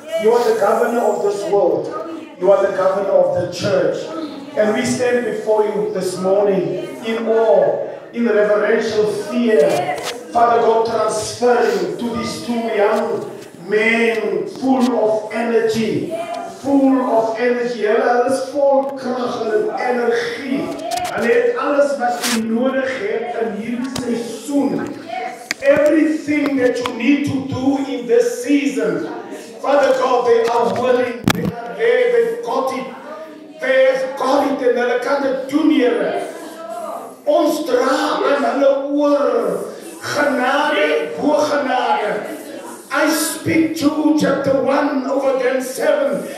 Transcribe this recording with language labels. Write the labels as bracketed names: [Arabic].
[English] You are the governor of this world. You are the governor of the church. And we stand before you this morning in awe, in reverential fear. Father God, transferring to these 2 young men full of energy. Full of energy. [Afrikaans] Alles vol krag en energie. Let alles wat jy nodig het in hierdie seisoen. [English] Everything that you need to do in this season. Father God, they are willing. They are there. They've got it. They have got it and [Afrikaans] hulle kan dit doen, Here. Ons dra in hulle oor. Genade, bo genade. [English] I speak to chapter 1 over again 7.